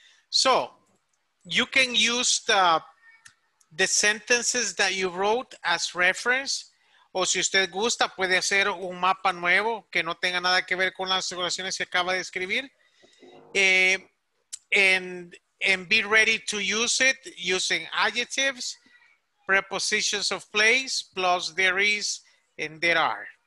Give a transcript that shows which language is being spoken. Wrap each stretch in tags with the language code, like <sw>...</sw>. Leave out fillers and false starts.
<en>So you can use the sentences that you wrote as reference.</en> <es>O si usted gusta, puede hacer un mapa nuevo que no tenga nada que ver con las oraciones que acaba de escribir.</es> <en>And be ready to use it using adjectives, prepositions of place, plus there is and there are.</en>